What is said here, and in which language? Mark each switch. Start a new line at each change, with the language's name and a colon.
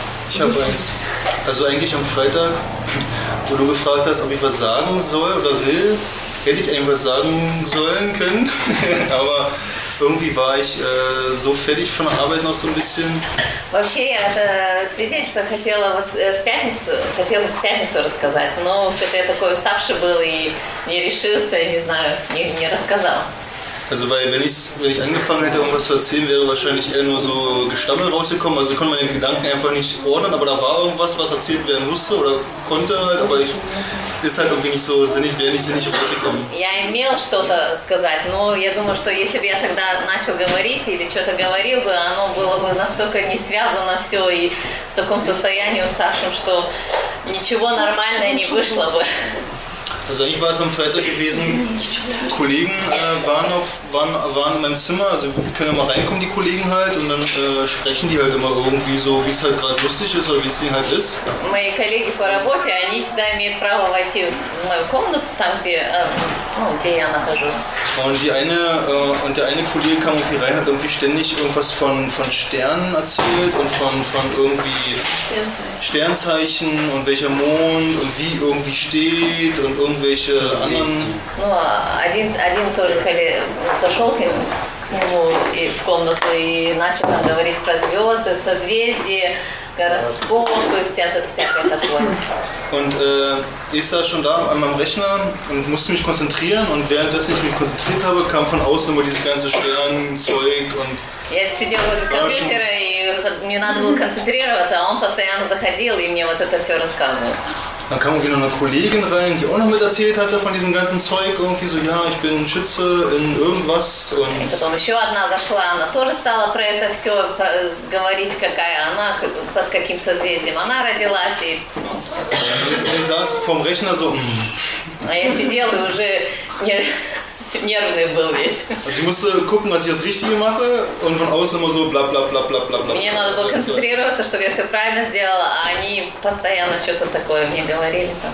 German: Ich habe eins. Also eigentlich am Freitag, wo du gefragt hast, ob ich was sagen soll oder will, hätte ich eigentlich was sagen sollen können. Aber irgendwie war ich so fertig von der Arbeit noch so ein bisschen.
Russian: Вообще я свидетельство хотела вас в пятницу, хотела в пятницу рассказать, но что-то я такой уставший был и не решился, не знаю, не рассказал.
German: Also weil wenn ich angefangen hätte, irgendwas zu erzählen, wäre wahrscheinlich eher nur so Gestammel rausgekommen. Also konnte man den Gedanken einfach nicht ordnen, aber da war irgendwas, was erzählt werden musste oder konnte halt, aber ich ist halt irgendwie nicht so sinnig, wäre nicht sinnig rausgekommen.
Russian: Я имел что-то сказать, но я думаю, что если бы я тогда начал говорить или что-то говорил бы, оно было бы настолько не связано все и в таком состоянии уставшем, что ничего нормальное не вышло бы.
German: Also eigentlich war es am Freitag gewesen, Kollegen waren in meinem Zimmer, also können immer reinkommen, die Kollegen halt, und dann sprechen die halt immer irgendwie so, wie es halt gerade lustig ist oder wie es denen halt ist. Meine Kollegen
Russian: по работе, они всегда имеют право войти в мою комнату, там, где я нахожусь.
German: Und der eine Kollege kam irgendwie rein, hat irgendwie ständig irgendwas von Sternen erzählt und von irgendwie Sternzeichen und welcher Mond und wie irgendwie steht und irgendwelche anderen.
Russian: Ну, один тоже зашел к нему в комнату и начал там говорить про звезды, созвездия, гороскоп и всякое такое.
German: Und ich saß schon da an meinem Rechner und musste mich konzentrieren und währenddessen ich mich konzentriert habe, kam von außen immer dieses ganze Sternzeug und.
Russian: Я сидел возле компьютера и мне надо было концентрироваться, а он постоянно заходил и мне вот это все рассказывал.
German: Dann kam irgendwie noch eine Kollegin rein, die auch noch mit erzählt hatte von diesem ganzen Zeug, irgendwie so, ja, ich bin Schütze in irgendwas und.
Russian: Und потом еще одна зашла, она тоже стала про это все говорить, какая она, под каким созвездием она родилась и.
German: Ich saß vorm Rechner so.
Russian: А я сидел и уже нервный был весь.
German: Also ich musste gucken, was ich das Richtige mache und von außen immer so bla bla bla bla bla bla.
Russian: Мне надо было концентрироваться, чтобы я все правильно сделала, а они постоянно что-то такое мне говорили.